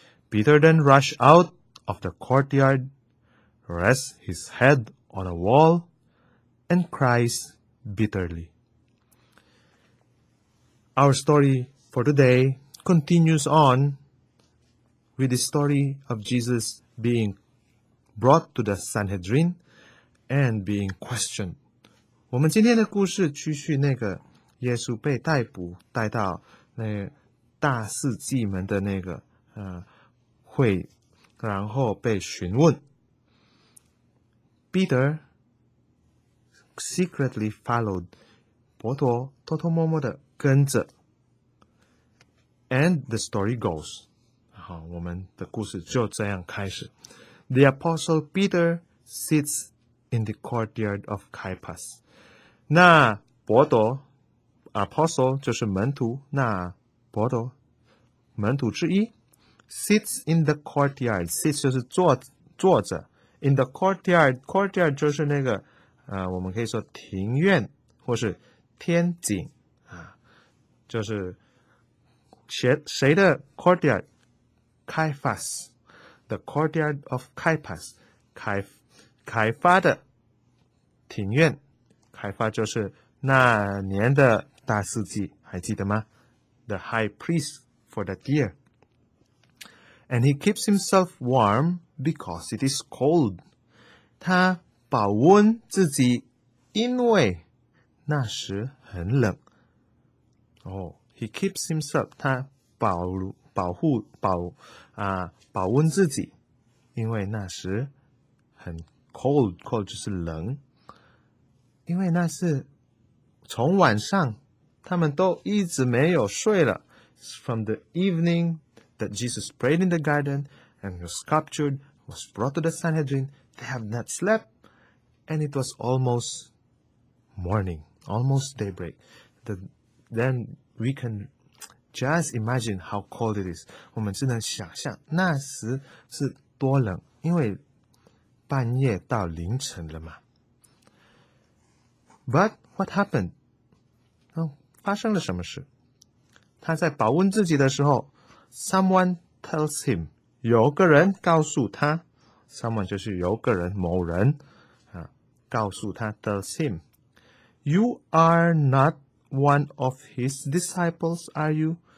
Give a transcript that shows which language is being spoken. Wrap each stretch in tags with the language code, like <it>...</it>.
<en>Peter then rushes out of the courtyard, rests his head on a wall, and cries bitterly. Our story for today continues on with the story of Jesus being brought to the Sanhedrin and being questioned.</en> <zh>我们今天的故事继续那个耶稣被逮捕带到那个大司祭们的那个会，然后被询问。</zh> <en>Peter secretly followed.</en> <zh>伯多偷偷摸摸的跟着。</zh> <en>And the story goes.</en> <zh>好，我们的故事就这样开始。</zh> <en>The Apostle Peter sits in the courtyard of Caiaphas.</en> <zh>那伯多 Apostle 就是门徒，那伯多门徒之一</zh> <en>sits in the courtyard. Sits</en> <zh>就是坐着</zh> <en>in the courtyard.</en> <zh>Courtyard 就是那个我们可以说庭院或是天井就是谁的 courtyard? Caiaphas.</zh> <en>The courtyard of Caiaphas.</en> <zh>开发的庭院。开发就是那年的大司祭，还记得吗？</zh> <en>The high priest for that year. And he keeps himself warm because it is cold.</en> <zh>他保温自己，因为那时很冷。</zh> <en>He keeps himself,</en> <zh>他保温自己，因为那时很 cold 就是冷，因为那是从晚上他们都一直没有睡了。</zh> <en>From the evening that Jesus prayed in the garden and was captured, was brought to the Sanhedrin, they have not slept, and it was almost morning, almost daybreak. Then we can just imagine how cold it is.</en> <zh>我们只能想象那时是多冷，因为半夜到凌晨了嘛。</zh> <en>But what happened?</en> <zh>发生了什么事？他在保温自己的时候，</zh> <en>someone tells him,</en> <zh>有个人告诉他，</zh> <en>someone</en> <zh>就是有个人，某人告诉他，</zh> <en>tells him, "You are not one of his disciples, are you?"</en>